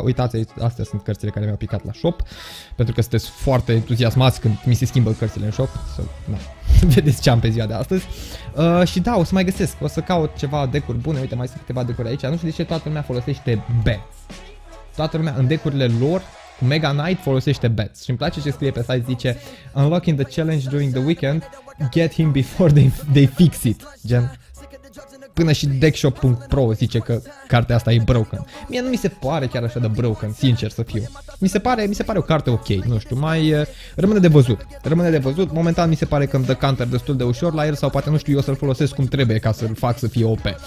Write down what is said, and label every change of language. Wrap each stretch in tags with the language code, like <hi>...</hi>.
<ro>Uitați, astea sunt cărțile care mi-au picat la shop. Pentru că sunteți foarte entuziasmați când mi se schimbă cărțile în shop. So, na. Vedeți ce am pe ziua de astăzi. Și da, o să mai găsesc. O să caut ceva deck-uri bune. Uite, mai sunt câteva deck-uri aici. Nu știu de ce toată lumea folosește bats. Toată lumea în deck-urile lor cu Mega Knight folosește bats. Și îmi place ce scrie pe site. Zice,</ro> <en>unlocking the challenge during the weekend. Get him before they fix it.</en> <ro>Gen... Până și deckshop.pro zice că cartea asta e broken. Mie nu mi se pare chiar așa de broken, sincer să fiu. Mi se pare o carte ok, nu știu, mai rămâne de văzut. Momentan mi se pare că îmi dă counter destul de ușor la el sau poate, nu știu, eu să-l folosesc cum trebuie ca să-l fac să fie OP.</ro>